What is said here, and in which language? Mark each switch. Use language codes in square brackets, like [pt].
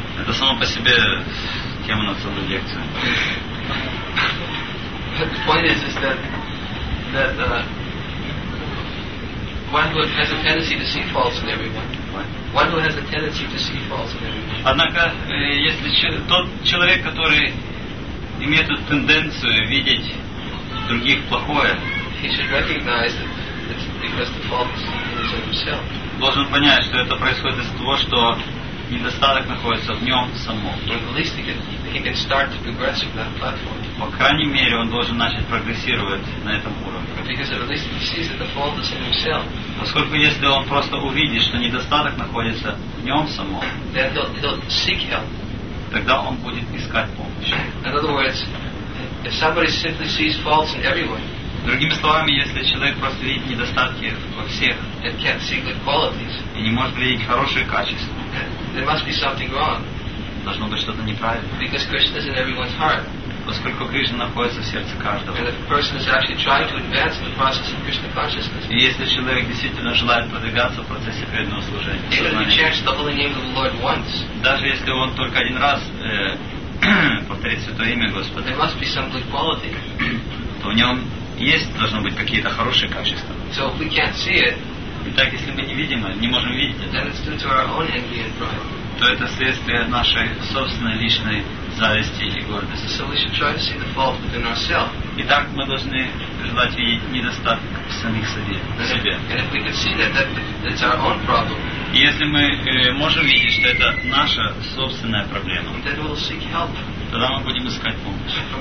[ru] Это само по себе тема на целую лекцию. [en] The point is that one would has a tendency to see faults in everyone. One who has a tendency to see faults in everyone. [ru] Однако если тот человек, который имеет эту тенденцию видеть других плохое, [en] he should recognize that. Because the fault is in himself. [ru] Должен понять, что это происходит из-за того, что недостаток находится в нем самом. [en] At least he can start to progress from that platform. [ru] По крайней мере, он должен начать прогрессировать на этом уровне. [en] Because at least he sees that the fault is in himself. [ru] Поскольку если он просто увидит, что недостаток находится в нем самом, [en] then he'll seek help. [ru] Тогда он будет искать помощь. [en] In other words, if somebody simply sees faults in everyone. [ru] Другими словами, если человек просто видит недостатки во всех [en] and can't see good qualities, [ru] и не может видеть хорошие качества, [en] there must be something wrong. [ru] Должно быть что-то неправильно. [en] Because Krishna is in everyone's heart. [ru] Поскольку Кришна находится в сердце каждого. [en] And if a person is actually trying to advance the process of Krishna consciousness, [ru] и если человек действительно желает продвигаться в процессе преданного служения, [en] even if he chants the holy name of the Lord once, [ru] даже если он только один раз повторит Святое Имя Господа, [en] there must be some good quality. [ru] То в нем есть, должно быть какие-то хорошие качества. [en] So if we can't see it, [ru] итак, если мы не видим, не можем видеть это, [en] then it's due to our own envy and pride. [ru] То это следствие нашей собственной личной зависти или гордости. [en] So we should try to see the fault within ourselves. [ru] Итак, мы должны желать видеть недостаток в самих себе. [en] And if we can see that it's our own problem, [ru] и если мы можем видеть, что это наша собственная проблема, [en] then we'll seek help. [ru] Тогда мы будем искать помощь.